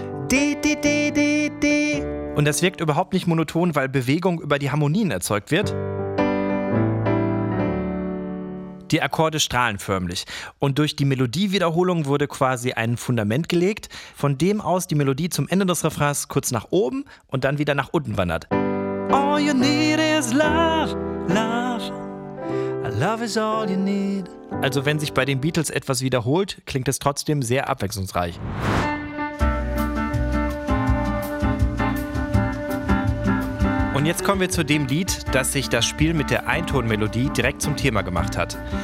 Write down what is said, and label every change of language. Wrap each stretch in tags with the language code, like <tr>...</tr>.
<de>D, D, D, D, D. Und das wirkt überhaupt nicht monoton, weil Bewegung über die Harmonien erzeugt wird. Die Akkorde strahlen förmlich und durch die Melodiewiederholung wurde quasi ein Fundament gelegt, von dem aus die Melodie zum Ende des Refrains kurz nach oben und dann wieder nach unten wandert.</de> <en>All you need is love, love. Love is all you need.</en> <de>Also wenn sich bei den Beatles etwas wiederholt, klingt es trotzdem sehr abwechslungsreich. Und jetzt kommen wir zu dem Lied, das sich das Spiel mit der Eintonmelodie direkt zum Thema gemacht hat.</de>